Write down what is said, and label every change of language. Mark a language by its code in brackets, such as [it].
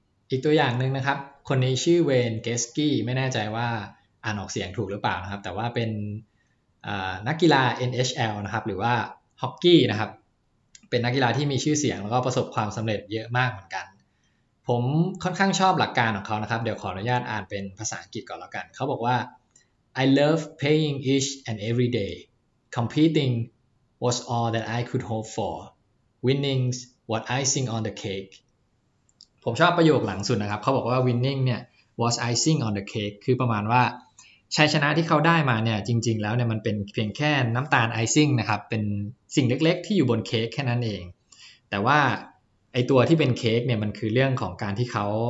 [th] อีกตัวอย่างนึงนะครับคนนี้ชื่อเวนเกสกี้ไม่แน่ใจว่าอ่านออกเสียงถูกหรือเปล่านะครับแต่ว่าเป็นนักกีฬา NHL นะครับหรือว่าฮอกกี้นะครับเป็นนักกีฬาที่มีชื่อเสียงแล้วก็ประสบความสำเร็จเยอะมากเหมือนกันผมค่อนข้างชอบหลักการของเขานะครับเดี๋ยวขออนุญาตอ่านเป็นภาษาอังกฤษก่อนแล้วกันเขาบอกว่า [en] I love playing each and every day. Competing was all that I could hope for. Winning was icing on the cake. [th] ผมชอบประโยคหลังสุดนะครับเขาบอกว่า winning เนี่ย [en] was icing on the cake [th] คือประมาณว่าชัยชนะที่เขาได้มาเนี่ยจริงๆแล้วเนี่ยมันเป็นเพียงแค่น้ำตาลไอซิ่งนะครับเป็นสิ่งเล็กๆที่อยู่บนเค้กแค่นั้นเองแต่ว่าไอตัวที่เป็นเค้กเนี่ยมันคือเรื่องของการที่เขา